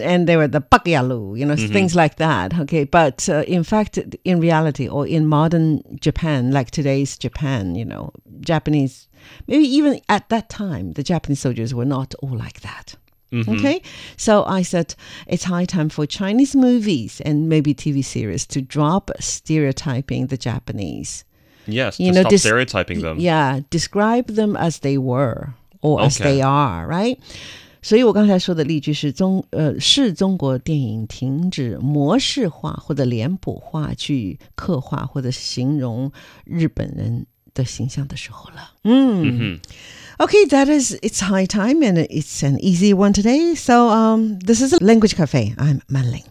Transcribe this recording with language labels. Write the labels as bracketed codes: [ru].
[en] And they were the bakyalu, you know, things like that. Okay. But in fact, in reality, or in modern Japan, like today's Japan, you know, Japanese, maybe even at that time, the Japanese soldiers were not all like that. Mm-hmm. Okay. So I said, it's high time for Chinese movies and maybe TV series to drop stereotyping the Japanese. Yes. You know, stop stereotyping them. Yeah. Describe them as they were or as they are. Right. [zh] 所以我刚才说的例句是是中国电影停止模式化或者脸谱化去刻画或者形容日本人的形象的时候了。嗯、mm-hmm. [en] Okay, that is, it's high time and it's an easy one today. So this is Language Cafe. I'm Manling.